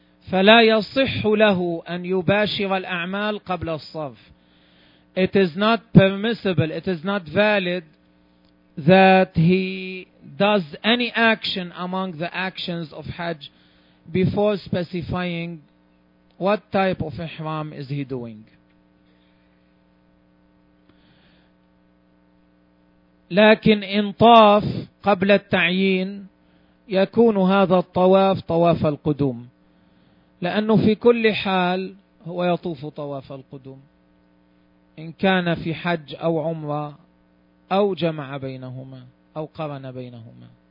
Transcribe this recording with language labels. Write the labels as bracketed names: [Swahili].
[Arabic] فلا يصح له أن يباشر الأعمال قبل الصرف. [English] It is not permissible, it is not valid that he does any action among the actions of Hajj before specifying what type of ihram is he doing. [Arabic] لكن إن طاف قبل التعيين يكون هذا الطواف طواف القدوم، لأنه في كل حال هو يطوف طواف القدوم إن كان في حج أو عمرة أو جمع بينهما أو قرن بينهما.